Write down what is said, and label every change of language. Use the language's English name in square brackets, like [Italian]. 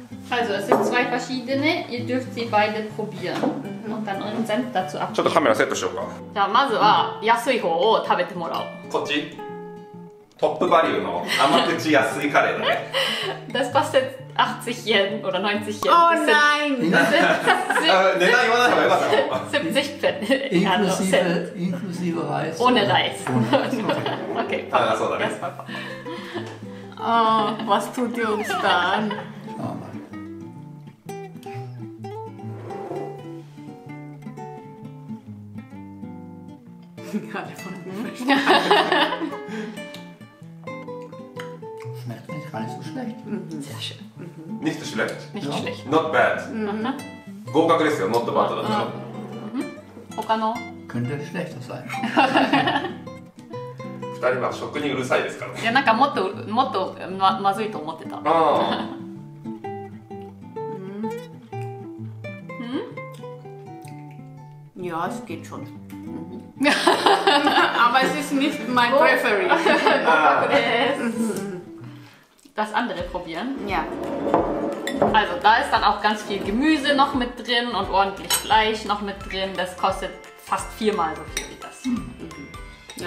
[German] Also, es sind zwei verschiedene. Ihr dürft sie beide probieren. Und dann unseren Senf dazu abgeben. [Japanese] ちょっとカメラセットしようか。じゃあまずは安い方を食べてもらおう。こっち。トップバリューの甘口安いカレーだね。 [German] Das kostet 80 Yen oder 90 Yen. Oh nein! [Japanese] 値段言わない方がよかった。 [German] 70 Yen. Inclusive Reis. Ohne Reis. OK. [Japanese] ああ、そうだね。 [German] Oh, was tut ihr uns da an? Schmeckt nicht gar nicht so schlecht. Sehr schön. Nicht schlecht. Nicht schlecht. [English] Not bad. [Japanese] 合格ですよ。 [English] Not bad. 他 [Japanese] の？ [German] Könnte schlechter sein. [Japanese] 二人は食にうるさいですから、ね。いや、なんかもっと まずいと思ってた。あ、うん。うん。いや、好きちょっと。 [German] Aber es ist nicht mein Preferite. Das andere probieren? Ja. Also da ist dann auch ganz viel Gemüse noch mit drin und ordentlich Fleisch noch mit drin. Das kostet fast viermal so viel wie das.